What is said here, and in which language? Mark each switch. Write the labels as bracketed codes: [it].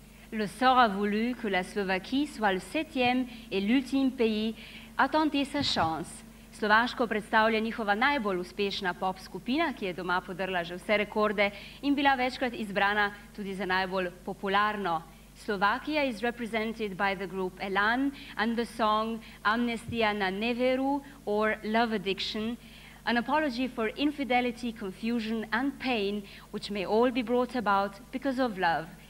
[fr] Le sort a voulu que la Slovaquie soit le septième et l'ultime pays à tenter sa chance. [sl] Slovaško predstavlja njihova najbolj uspešna pop skupina, ki je doma podrla že vse rekorde in bila večkrat izbrana tudi za najbolj popularno. [en] Slovakia is represented by the group Elan and the song Amnestia na Neveru or Love Addiction, an apology for infidelity, confusion and pain, which may all be brought about because of love.